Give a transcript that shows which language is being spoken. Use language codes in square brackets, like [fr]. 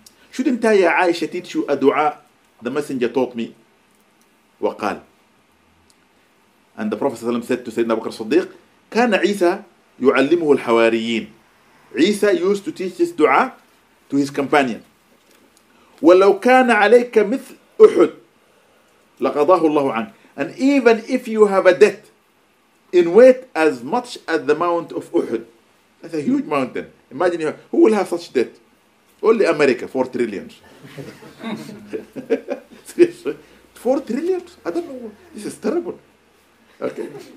[en] Shouldn't I, Aisha, teach you a dua the messenger taught me? وقال. And the Prophet ﷺ said to Sayyidina Abu Bakr Siddiq, [ar] كان عيسى يعلمه الحواريين. [en] عيسى used to teach this dua to his companion. [ar] ولو كان عليك مثل أحد لقضاه الله عنك. [en] And even if you have a debt in weight as much as the mount of Uhud. That's a huge mountain. Imagine, who will have such debt? Only America, 4 trillion. 4 trillion? I don't know. This is terrible. Okay.